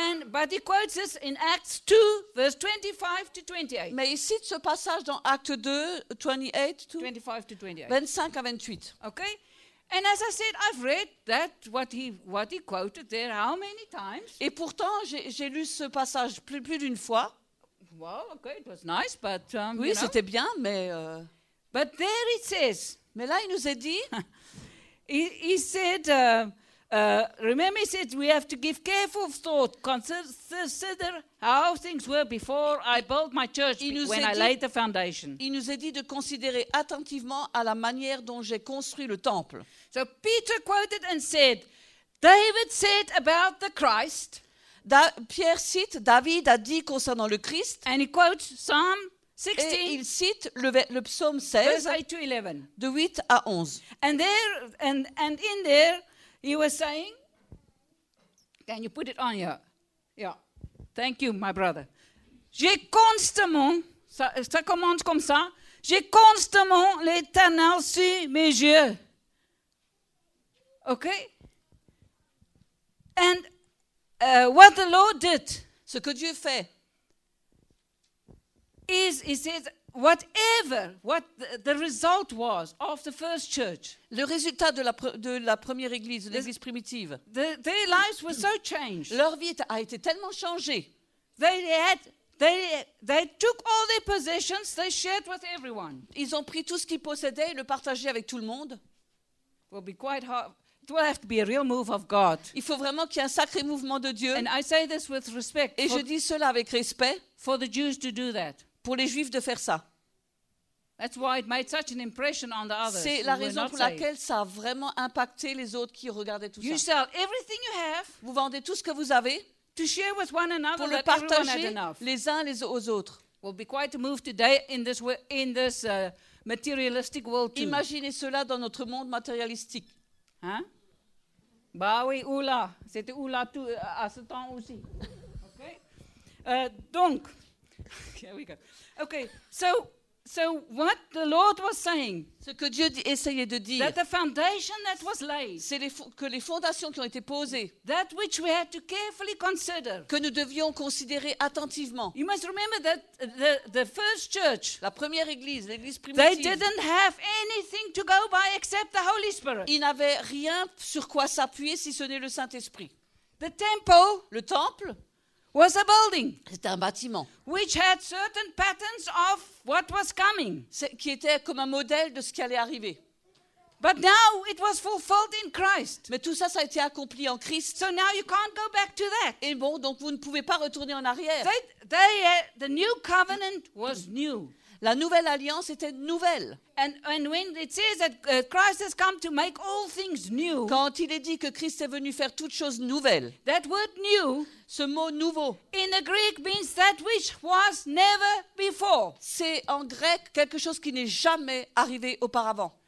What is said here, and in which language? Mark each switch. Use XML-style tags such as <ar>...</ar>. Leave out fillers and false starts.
<en>But he quotes this in Acts 2, verse 25 to 28.</en> <fr>Mais il cite ce passage dans Acte 2, 25 à 28.</fr> <en>Okay. And as I said, I've read that what he quoted there how many times?</en> <fr>Et pourtant, j'ai lu ce passage plus d'une fois.</fr> <en>Well, okay, it was nice, but</en> <fr>oui,</fr> <en>you</en> <fr>c'était</fr> <en>know.</en> <fr>Bien, mais.</fr> <en>But there it says.</en> <fr>Mais là, il nous a dit.</fr> <en>he said. Remember, he said, we have to give careful thought, consider how things were before I built my church when I laid the foundation.</en> <fr>Il nous a dit de considérer attentivement à la manière dont j'ai construit le temple.</fr> <en>So Peter quoted and said, David said about the Christ.</en> <fr>Pierre cite, David a dit concernant le Christ.</fr> <en>And he quotes Psalm 16.</en> <fr>Et il cite le psaume 16,</fr> <en>verse 8 to 11.</en> <fr>De 8 à 11.</fr> <en>And in there, he was saying, can you put it on here? Yeah. Thank you, my brother.</en> <fr>J'ai constamment, ça commence comme ça, j'ai constamment l'éternel sur mes yeux.</fr> <en>Okay? And what the Lord did,</en> <fr>ce que Dieu fait,</fr> <en>is he says whatever what the result was of the first church.</en> <fr>Le résultat de la première église, de l'église primitive.</fr> <en>Their lives were so changed.</en> <fr>Leur vie a été tellement changée.</fr> <en>They took all their possessions, they shared with everyone.</en> <fr>Ils ont pris tout ce qu'ils possédaient et le partageaient avec tout le monde.</fr> <en>Will be quite hard. It will have to be a real move of God.</en> <fr>Il faut vraiment qu'il y ait un sacré mouvement de Dieu.</fr> <en>And I say this with respect.</en> <fr>Et je dis cela avec respect.</fr> <en>For the Jews to do that.</en> <fr>Pour les Juifs de faire ça.</fr> <en>That's why it made such an impression on the others.</en> <fr>C'est la raison pour laquelle ça a vraiment impacté les autres qui regardaient tout</fr> <en>you</en> <fr>ça.</fr> <en>Sell everything you have.</en> <fr>Vous vendez tout ce que vous avez.</fr> <en>To share with one another.</en> <fr>Pour le partager les uns les aux autres.</fr> <en>Will be quite a move today in this materialistic world too.</en> <fr>Imaginez cela dans notre monde matérialistique. Hein? Bah oui, oula, c'était oula tout à ce temps aussi.</fr> <en>OK. Donc here we go. OK. So what the Lord was saying,</en> <fr>ce que Dieu essayait de dire,</fr> <en>that the foundation that was laid,</en> <fr>c'est les fondations qui ont été posées,</fr> <en>that which we had to carefully consider,</en> <fr>que nous devions considérer attentivement.</fr> <en>You must remember that the first church,</en> <fr>la première église, l'église primitive,</fr> <en>they didn't have anything to go by except the Holy Spirit.</en> <fr>Ils n'avaient rien sur quoi s'appuyer si ce n'est le Saint-Esprit.</fr> <en>The temple,</en> <fr>le temple,</fr> <en>was a building.</en> <fr>C'était un bâtiment.</fr> <en>Which had certain patterns of what was coming.</en> <fr>Qui était comme un modèle de ce qui allait arriver.</fr> <en>But now it was fulfilled in Christ.</en> <fr>Mais tout ça, ça a été accompli en Christ.</fr> <en>So now you can't go back to that.</en> <fr>Et bon, donc vous ne pouvez pas retourner en arrière.</fr> <en>The new covenant was new.</en> <fr>La nouvelle alliance était nouvelle.</fr> <en>And when it says that Christ has come to make all things new.</en> <fr>Quand il est dit que Christ est venu faire toutes choses nouvelles.</fr> <en>That word new.</en> <fr>Ce mot nouveau.</fr> <en>In the Greek means that which was never before.</en> <fr>C'est en grec quelque chose qui n'est jamais arrivé auparavant.</fr>